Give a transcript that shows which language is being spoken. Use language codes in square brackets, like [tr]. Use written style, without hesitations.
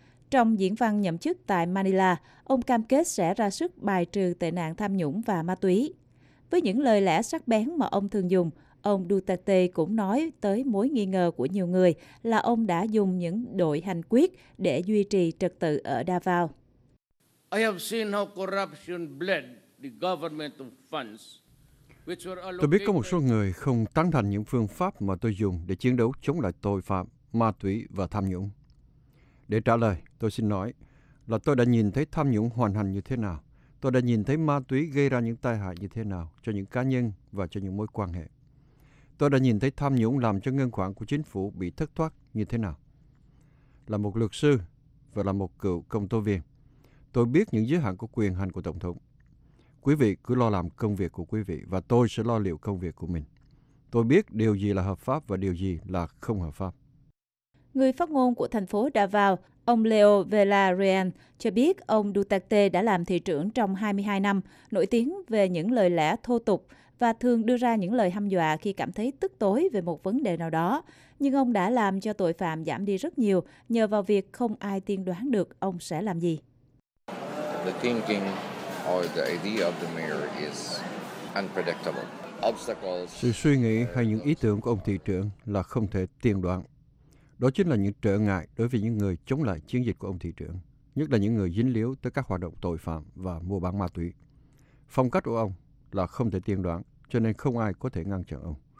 [vi] Trong diễn văn nhậm chức tại Manila, ông cam kết sẽ ra sức bài trừ tệ nạn tham nhũng và ma túy. Với những lời lẽ sắc bén mà ông thường dùng, ông Duterte cũng nói tới mối nghi ngờ của nhiều người là ông đã dùng những đội hành quyết để duy trì trật tự ở Davao. [en] I have seen how corruption bled the governmental funds. [vi] Tôi biết có một số người không tán thành những phương pháp mà tôi dùng để chiến đấu chống lại tội phạm, ma túy và tham nhũng. Để trả lời, tôi xin nói là tôi đã nhìn thấy tham nhũng hoành hành như thế nào. Tôi đã nhìn thấy ma túy gây ra những tai hại như thế nào cho những cá nhân và cho những mối quan hệ. Tôi đã nhìn thấy tham nhũng làm cho ngân khoản của chính phủ bị thất thoát như thế nào. Là một luật sư và là một cựu công tố viên, tôi biết những giới hạn của quyền hành của Tổng thống. Quý vị cứ lo làm công việc của quý vị và tôi sẽ lo liệu công việc của mình. Tôi biết điều gì là hợp pháp và điều gì là không hợp pháp. Người phát ngôn của thành phố Davao, ông Leo Velarian, cho biết ông Duterte đã làm thị trưởng trong 22 năm, nổi tiếng về những lời lẽ thô tục và thường đưa ra những lời hăm dọa khi cảm thấy tức tối về một vấn đề nào đó. Nhưng ông đã làm cho tội phạm giảm đi rất nhiều nhờ vào việc không ai tiên đoán được ông sẽ làm gì. [en] The thinking or the idea of the mayor is unpredictable. Obstacles. [vi] Sự suy nghĩ hay những ý tưởng của ông thị trưởng là không thể tiên đoán. Đó chính là những trở ngại đối với những người chống lại chiến dịch của ông thị trưởng. nhất là những người dính líu tới các hoạt động tội phạm và mua bán ma túy. Phong cách của ông là không thể tiên đoán, cho nên không ai có thể ngăn chặn ông.